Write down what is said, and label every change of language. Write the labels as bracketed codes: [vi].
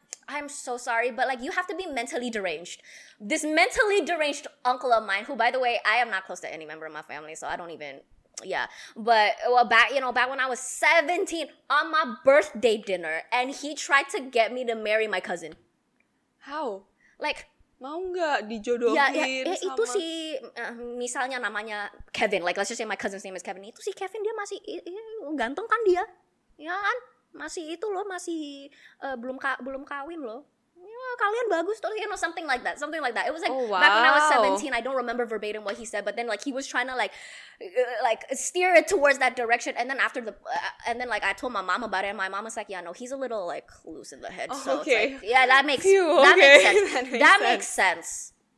[en] I'm so sorry, but like you have to be mentally deranged. This mentally deranged uncle of mine, who, by the way, I am not close to any member of my family, so I don't even Yeah, but well, back, you know, back when I was 17 on my birthday dinner, and he tried to get me to marry my cousin. How? Like, [id] mau nggak dijodohin? [en] Yeah, yeah, [id] sama... itu si misalnya namanya Kevin. [en] Like, let's just say my cousin's name is Kevin. [id] Itu si Kevin, dia masih ganteng kan dia? Ya kan? Masih itu loh, masih belum kawin loh. Kalian bagus tuh, [en] you know, something like that. It was like, oh, wow. Back when I was 17, I don't remember verbatim what he said, but then like he was trying to like steer it towards that direction, and then after the and then like I told my mom about it, and my mom was like, yeah, no, he's a little like loose in the head. Oh, so okay, it's like, yeah, that makes, phew, okay, that makes sense. that makes sense.